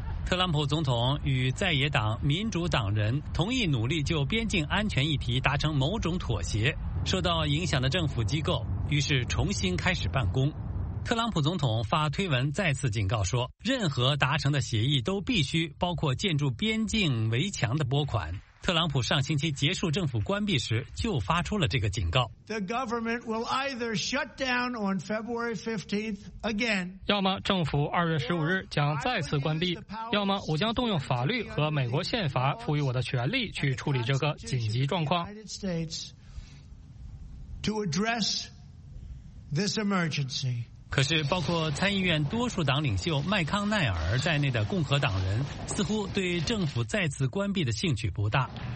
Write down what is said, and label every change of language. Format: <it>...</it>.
<zh>特朗普总统与在野党民主党人同意努力就边境安全议题达成某种妥协，受到影响的政府机构于是重新开始办公。特朗普总统发推文再次警告说，任何达成的协议都必须包括建筑边境围墙的拨款，特朗普上星期结束政府关闭时就发出了这个警告。</zh> <en>The government will either shut down on February 15th again.</en> <zh>要么政府2月15日将再次关闭，要么我将动用法律和美国宪法赋予我的权利去处理这个紧急状况。</zh> <en>To address this emergency.</en> <zh>可是包括参议院多数党领袖麦康奈尔在内的共和党人似乎对政府再次关闭的兴趣不大。</zh>